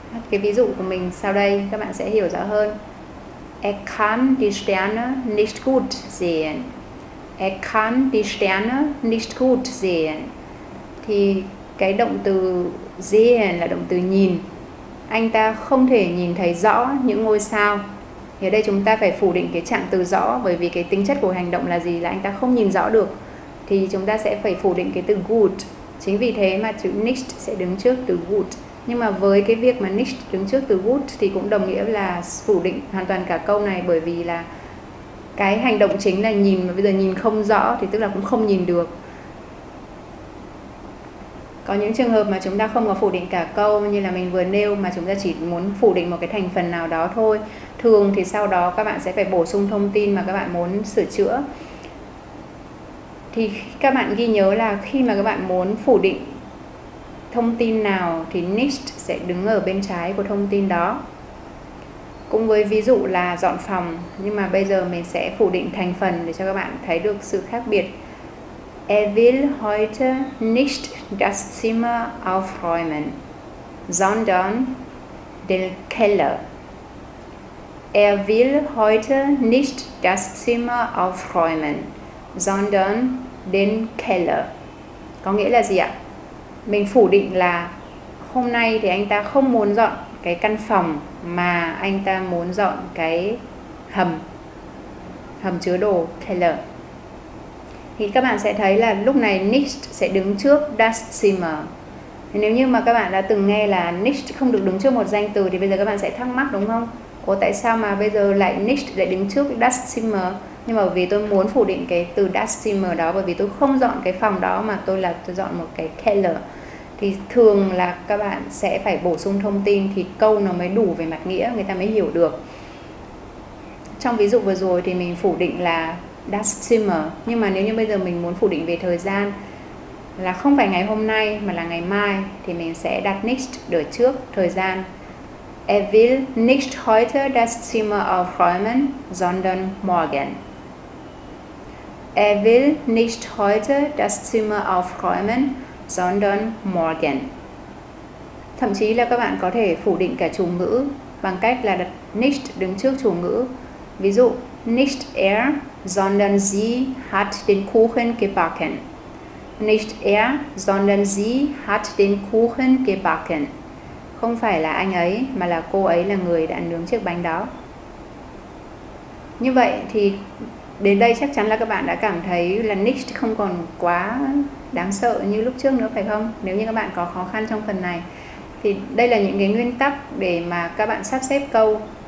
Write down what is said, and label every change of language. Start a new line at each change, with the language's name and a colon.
Vietnamese: Cái ví dụ của mình sau đây các bạn sẽ hiểu rõ hơn.
German: Er kann die Sterne nicht gut sehen. Er kann die Sterne nicht gut sehen.
Vietnamese: Thì cái động từ sehen là động từ nhìn. Anh ta không thể nhìn thấy rõ những ngôi sao. Thì ở đây chúng ta phải phủ định cái trạng từ rõ, bởi vì cái tính chất của hành động là gì, là anh ta không nhìn rõ được. Thì chúng ta sẽ phải phủ định cái từ gut. Chính vì thế mà chữ nicht sẽ đứng trước từ gut. Nhưng mà với cái việc mà nicht đứng trước từ gut thì cũng đồng nghĩa là phủ định hoàn toàn cả câu này, bởi vì là cái hành động chính là nhìn, mà bây giờ nhìn không rõ thì tức là cũng không nhìn được. Có những trường hợp mà chúng ta không có phủ định cả câu, như là mình vừa nêu, mà chúng ta chỉ muốn phủ định một cái thành phần nào đó thôi. Thường thì sau đó các bạn sẽ phải bổ sung thông tin mà các bạn muốn sửa chữa. Thì các bạn ghi nhớ là khi mà các bạn muốn phủ định thông tin nào thì nicht sẽ đứng ở bên trái của thông tin đó. Cũng với ví dụ là dọn phòng, nhưng mà bây giờ mình sẽ phủ định thành phần để cho các bạn thấy được sự khác biệt.
German: Er will heute nicht das Zimmer aufräumen, sondern den Keller. Er will heute nicht das Zimmer aufräumen, sondern den Keller.
Vietnamese: Có nghĩa là gì ạ? Mình phủ định là hôm nay thì anh ta không muốn dọn cái căn phòng, mà anh ta muốn dọn cái hầm chứa đồ, keller. Thì các bạn sẽ thấy là lúc này nicht sẽ đứng trước das Zimmer. Nếu như mà các bạn đã từng nghe là nicht không được đứng trước một danh từ thì bây giờ các bạn sẽ thắc mắc đúng không? Ủa tại sao mà bây giờ lại nicht lại đứng trước das Zimmer? Nhưng mà vì tôi muốn phủ định cái từ das Zimmer đó, bởi vì tôi không dọn cái phòng đó mà tôi dọn một cái Keller. Thì thường là các bạn sẽ phải bổ sung thông tin thì câu nó mới đủ về mặt nghĩa, người ta mới hiểu được. Trong ví dụ vừa rồi thì mình phủ định là das Zimmer, nhưng mà nếu như bây giờ mình muốn phủ định về thời gian là không phải ngày hôm nay mà là ngày mai, thì mình sẽ đặt nicht ở trước thời gian.
German: Er will nicht heute das Zimmer aufräumen, sondern morgen. Er will nicht heute das Zimmer aufräumen, sondern morgen.
Vietnamese: Thậm chí là các bạn có thể phủ định cả chủ ngữ bằng cách là đặt nicht đứng trước chủ ngữ. Ví dụ,
German: nicht er, sondern sie hat den Kuchen gebacken. Nicht er, sondern sie hat den Kuchen gebacken.
Vietnamese: Không phải là anh ấy, mà là cô ấy là người đã nướng chiếc bánh đó. Như vậy thì đến đây chắc chắn là các bạn đã cảm thấy là nicht không còn quá đáng sợ như lúc trước nữa, phải không? Nếu như các bạn có khó khăn trong phần này, thì đây là những cái nguyên tắc để mà các bạn sắp xếp câu.